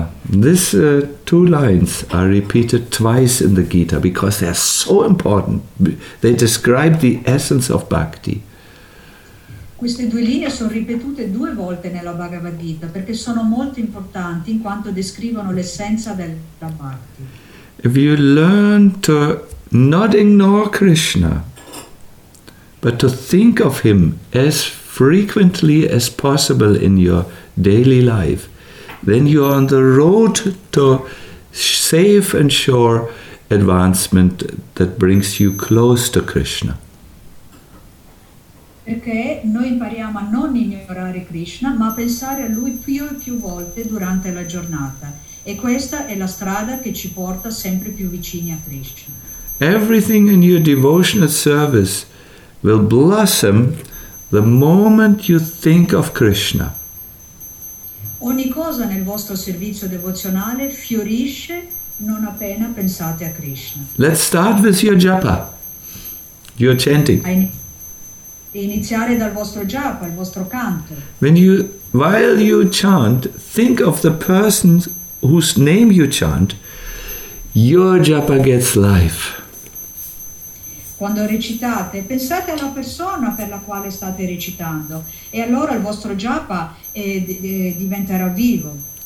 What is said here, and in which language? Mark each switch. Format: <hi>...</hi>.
<en>These two lines are repeated twice in the Gita because they are so important. They describe the essence of bhakti.</en> <it>Queste due linee sono ripetute due volte nella Bhagavad Gita perché sono molto importanti in quanto descrivono l'essenza della bhakti.</it> <en>If you learn to not ignore Krishna, but to think of him as frequently as possible in your daily life, then you are on the road to safe and sure advancement that brings you close to Krishna.</en> <it>Perché noi impariamo a non ignorare Krishna, ma a pensare a lui più e più volte durante la giornata. E questa è la strada che ci porta sempre più vicini a Krishna.</it> <en>Everything in your devotional service will blossom the moment you think of Krishna.</en> <it>Ogni cosa nel vostro servizio devozionale fiorisce non appena pensate a Krishna.</it> <en>Let's start with your japa, your chanting.</en> <it>Iniziare dal vostro japa, il vostro canto.</it> <en>While you chant, think of the person whose name you chant, your japa gets life.</en> <it>Quando recitate, pensate alla persona per la quale state recitando e allora il vostro japa diventerà vivo.</it>